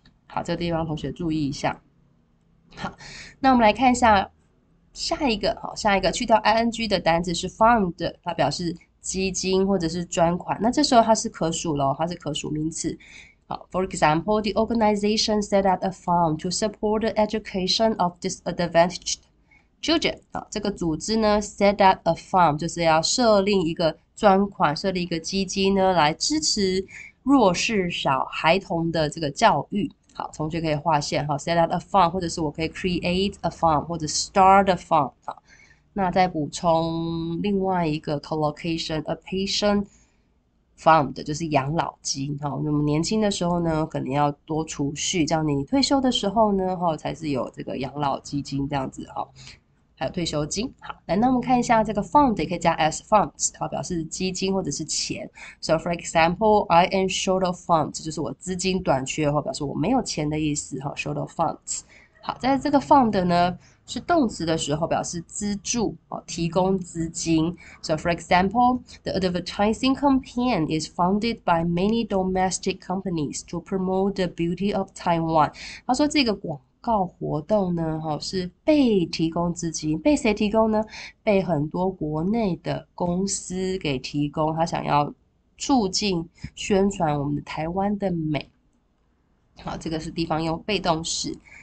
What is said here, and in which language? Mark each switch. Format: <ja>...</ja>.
<zh>好，这个地方同学注意一下。好，那我们来看一下下一个，下一个去掉 ing 的单字是 fund，它表示基金或者是专款。那这时候它是可数咯，它是可数名词。</zh> <en>好，for example, the organization set up a fund to support the education of disadvantaged children。</en> <zh>这个组织呢，</zh> <en>set up a fund</en> <zh>就是要设立一个专款，设立一个基金呢，来支持弱势小孩童的这个教育。好，同学可以划线，</zh> <en>set up a fund，</en> <zh>或者是我可以</zh> <en>create a fund，</en> <zh>或者</zh> <en>start a fund。</en> <zh>那再补充另外一个 collocation，</zh> <en>a patient fund</en> <zh>就是养老金，那么年轻的时候呢，可能要多储蓄，这样你退休的时候呢，才是有这个养老基金这样子，还有退休金。好，来，那我们看一下这个 fund 也可以加</zh> <en>as funds，</en> <zh>好，表示基金或者是钱。</zh> <en>So for example, I am short of funds，</en> <zh>这就是我资金短缺，或表示我没有钱的意思，哈，</zh> <en>short of funds。</en> <zh>好，在这个 fund 呢是动词的时候，表示资助哦，提供资金。</zh> <en>So for example, the advertising campaign is funded by many domestic companies to promote the beauty of Taiwan。</en> <zh>他说这个广告活动呢，哈，是被提供资金，被谁提供呢？被很多国内的公司给提供，他想要促进宣传我们的台湾的美。好，这个是地方用被动式。</zh>